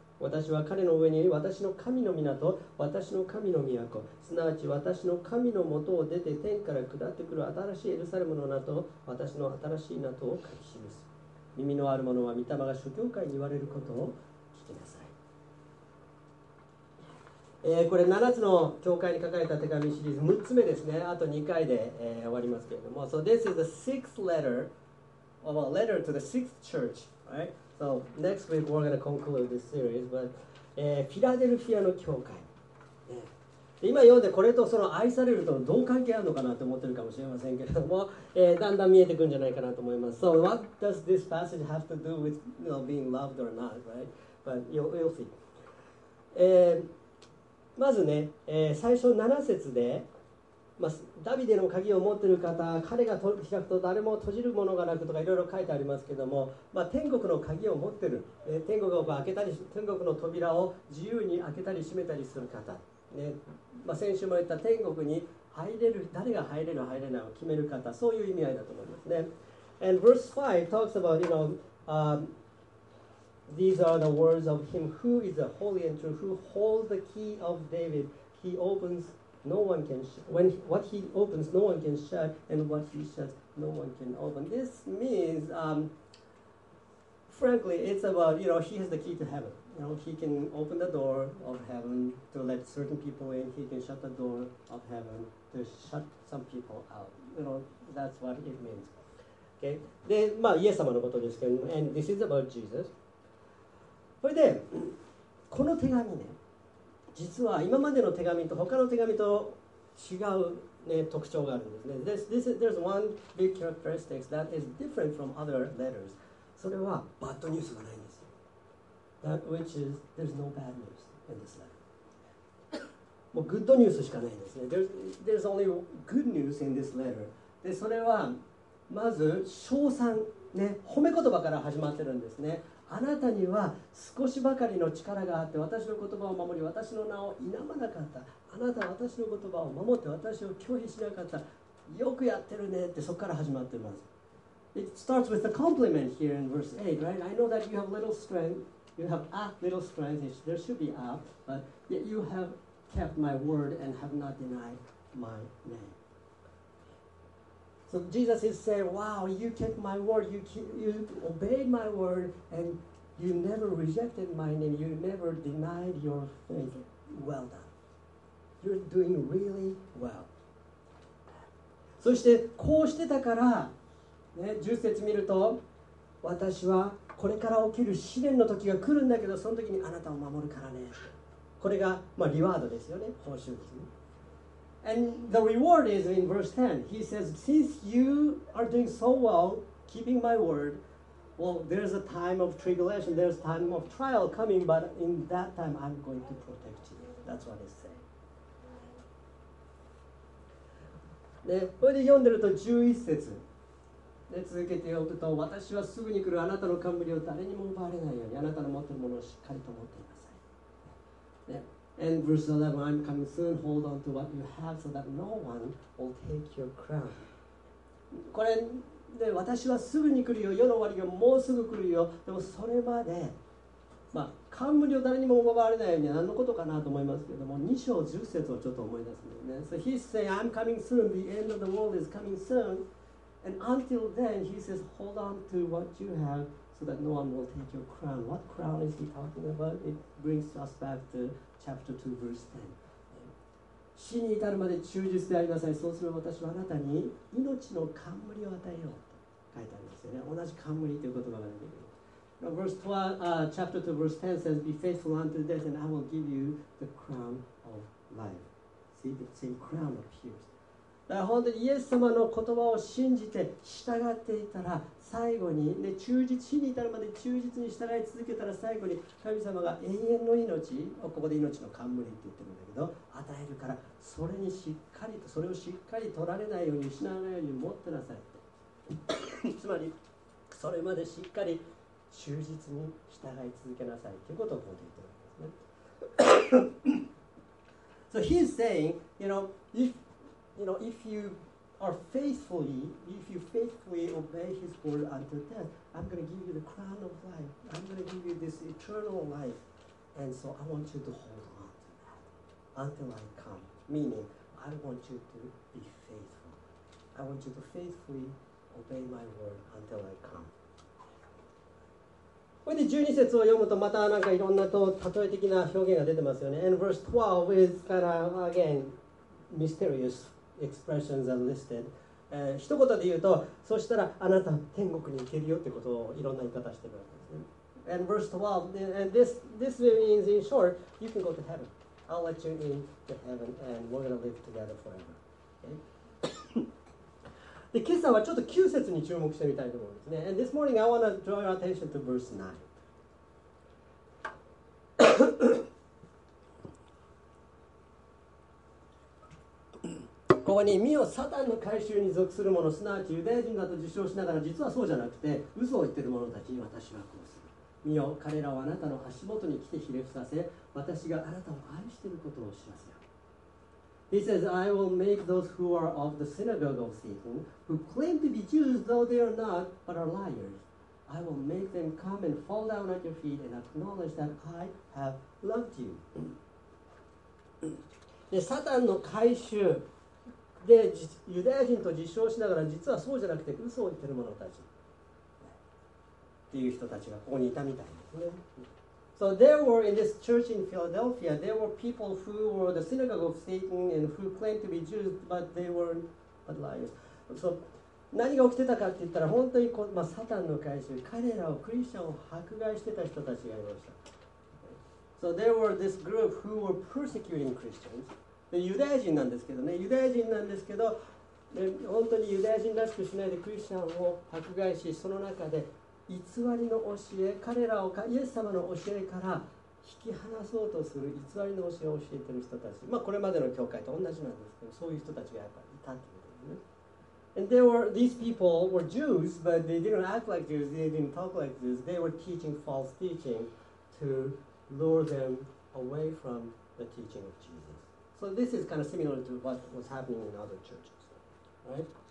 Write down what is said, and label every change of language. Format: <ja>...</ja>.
<ja>私は彼の上に私の神の港、私の神の都、すなわち私の神の元を出て天から下ってくる新しいエルサレムの名と私の新しい名とを書き示す。耳のある者は御霊が諸教会に言われることを聞きなさい。これ7つの教会に書かれた手紙シリーズ6つ目ですね。あと2回で、終わりますけれども。</ja> <en>So this is the sixth letter of a letter to the sixth church, right? So next week we're going to conclude this series, but</en> <ja>フィラデルフィアの教会、ね、今読んでこれとその愛されるとどう関係あるのかなと思ってるかもしれませんけれども、だんだん見えてくるんじゃないかなと思います。</ja> <en>So what does this passage have to do with, you know, being loved or not, right? But you'll see、</en> <ja>まずね、最初7節で、まあ、ダビデの鍵を持っている方、彼が開くと誰も閉じるものがなくとかいろいろ書いてありますけども、まあ、天国の鍵を持っている、天国を開けたり、天国の扉を自由に開けたり閉めたりする方、ね、まあ、先週も言った天国に入れる、誰が入れる入れないを決める方、そういう意味合いだと思いますね。</ja> <en>And verse 5 talks about, you know,these are the words of him who is the holy and true, who holds the key of David. He opensNo one can when what he opens, no one can shut, and what he shuts, no one can open. This means, frankly, it's about, you know, he has the key to heaven. You know, he can open the door of heaven to let certain people in. He can shut the door of heaven to shut some people out. You know, that's what it means. Okay.</en> <ja>で、まあ、イエス様のことですけど、</ja> <en>and this is about Jesus.</en> <ja>それで、この手紙ね。実は今までの手紙と他の手紙と違う、ね、特徴があるんですね。</ja> <en>There's one big characteristic that is different from other letters.</en> <ja>それはバッドニュースがないんですよ。</ja> <en>That which is, there's no bad news in this letter.</en> <ja>もうグッドニュースしかないんですね。</ja> <en>There's only good news in this letter.</en> <ja>で、それはまず称賛、ね、褒め言葉から始まってるんですね。あなたには少しばかりの力があって、私の言葉を守り、私の名を否まなかった。あなたは私の言葉を守って私を拒否しなかった。よくやってるねって、そこから始まってます。</ja> <en>It starts with a compliment here in verse 8, right? I know that you have little strength. You have a little strength. There should be a, but yet you have kept my word and have not denied my name. So Jesus is saying, wow, you kept my word, you obeyed my word, and you never rejected my name, you never denied your faith. Well done. You're doing really well.</en> <ja>そしてこうしてたから、ね、10節見ると、私はこれから起きる試練の時が来るんだけど、その時にあなたを守るからね。これが、まあ、リワードですよね、報酬ですね。</ja> <en>And the reward is in verse 10. He says, since you are doing so well keeping my word, well, there's a time of tribulation, there's a time of trial coming, but in that time, I'm going to protect you. That's what it's saying.</en> <ja>で、これで読んでると11節。で、続けて読むと、私はすぐに来る、あなたの冠を誰にも奪われないように、あなたの持っているものをしっかりと持っていなさい。</ja> <en>で、And verse 11, I'm coming soon, hold on to what you have so that no one will take your crown.</en> <ja>これで、私はすぐに来るよ、世の終わりがもうすぐ来るよ、でもそれまでまあ、冠を誰にも奪われないように何のことかなと思いますけれども、2章10節をちょっと思い出すのね。</ja> <en>So he's saying, I'm coming soon, the end of the world is coming soon. And until then, he says, hold on to what you have so that no one will take your crown. What crown is he talking about? It brings us back to chapter 2, verse 10.</en> <ja>死に至るまで忠実でありなさい。そうすれば私はあなたに命の冠を与えようと書いてありますよね。同じ冠という言葉が出てくる。</ja> <en>Verse 12, chapter 2, verse 10 says, Be faithful unto death, and I will give you the crown of life. See, the same crown appears.</en> <ja>だから本当にイエス様の言葉を信じて従っていたら、最後に、ね、忠実、死に至るまで忠実に従い続けたら、最後に神様が永遠の命を、ここで命の冠って言ってるんだけど、与えるから、それにしっかりと、それをしっかり取られないように、失わないように持ってなさいって。つまり、それまでしっかり、忠実に従い続けなさいということをこう言ってるんですね。</ja> <en>So he's saying, you know, if you are faithfully, if you faithfully obey his word unto death, I'm going to give you the crown of life. I'm going to give you this eternal life. And so I want you to hold on to that until I come. Meaning, I want you to be faithful. I want you to faithfully obey my word until I come.</en> <ja>これで12節を読むとまたなんかいろんなと例え的な表現が出てますよね。</ja> <en>And verse 12 is kind of again mysterious expressions are listed、</en> <ja>一言で言うと、そしたらあなた天国に行けるよってことをいろんな言い方してるわけですね。</ja> <en>And verse 12 and this means in short you can go to heaven. I'll let you in to heaven and we're going to live together forever.、Okay?</en> <ja>で今朝はちょっと9節に注目してみたいと思うんですね。</ja> <en>And this morning I want to draw your attention to verse 9.</en> <ja>ここに、見よ、サタンの改宗に属する者、すなわちユダヤ人だと自称しながら、実はそうじゃなくて、嘘を言っている者たちに私はこうする。見よ、彼らをあなたの足元に来てひれ伏させ、私があなたを愛していることを知らせよ。</ja> <en>He says, I will make those who are of the synagogue of Satan, who claim to be Jews though they are not, but are liars. I will make them come and fall down at your feet and acknowledge that I have loved you.</en> <ja>で、サタンの回収でユダヤ人と自称しながら、実はそうじゃなくて嘘を言ってる者たちっていう人たちがここにいたみたいですね。</ja> <en>So there were in this church in Philadelphia, there were people who were the synagogue of Satan and who claimed to be Jews, but they were but liars.</en> <ja>So 何が起きてたかって言ったら、本当にこ、まあ、サタンの会社、彼らをクリスチャンを迫害してた人たちがいました。</ja> <en>So there were this group who were persecuting Christians.</en> <ja>でユダヤ人なんですけどね、ユダヤ人なんですけど、で本当にユダヤ人らしくしないでクリスチャンを迫害し、その中で偽りの教え、彼らをイエス様の教えから引き離そうとする偽りの教えを教えている人たち、まあ、これまでの教会と同じなんですけど、そういう人たちがやっぱりいたということですね。</ja> <en>And they were, these people were Jews, but they didn't act like Jews, they didn't talk like Jews. They were teaching false teaching to lure them away from the teaching of Jesus. So this is kind of similar to what was happening in other churches, right?</en>